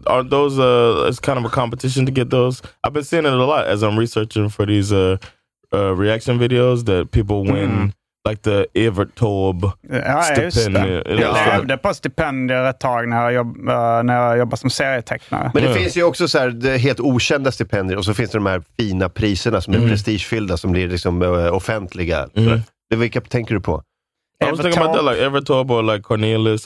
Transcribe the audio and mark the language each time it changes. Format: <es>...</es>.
<en>Aren't those it's kind of a competition to get those? I've been seeing it a lot as I'm researching for these reaction videos that people win. Like the Evert Taube</en> <sv>stipendium. Ja, jag levde på stipendier ett tag när jag jobbade som serietecknare. Men det finns ju också så här, helt okända stipendier, och så finns det de här fina priserna som är prestigefyllda, som blir liksom offentliga. Mm. Vilka tänker du på?</sv> <en>I was thinking about that, like Evert Taube or like Cornelius.</en>